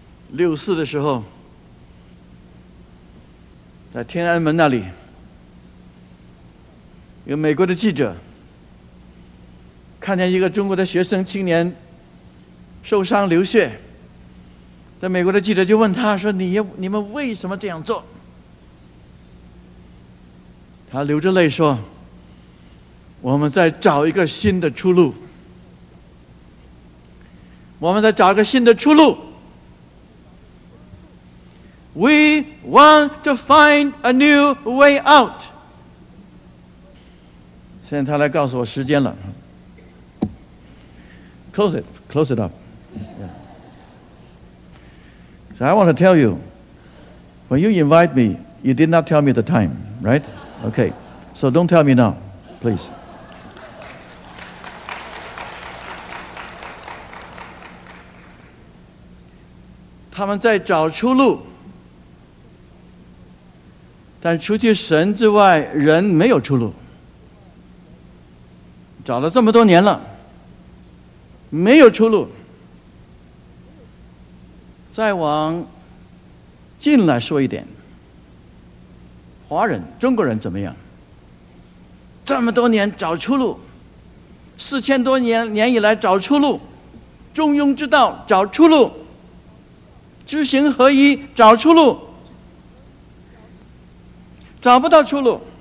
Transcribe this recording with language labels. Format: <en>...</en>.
<zh>六四的时候，在天安门那里，一个美国的记者看见一个中国的学生青年受伤流血，在美国的记者就问他说：“你们为什么这样做？” 他流着泪说：“我们在找一个新的出路，我们在找一个新的出路。</zh> <en>We want to find a new way out。”</en> <zh>现在他来告诉我时间了。</zh> <en>Close it up.、Yeah. So I want to tell you, when you invite me, you did not tell me the time, right? Okay, so don't tell me now, please. They are looking for the way out. But out of God, there are no way out. They have been looking for so many years.</en> <zh>没有出路，再往近来说一点，华人、中国人怎么样？这么多年找出路，四千多年以来找出路，中庸之道找出路，知行合一找出路，找不到出路。</zh>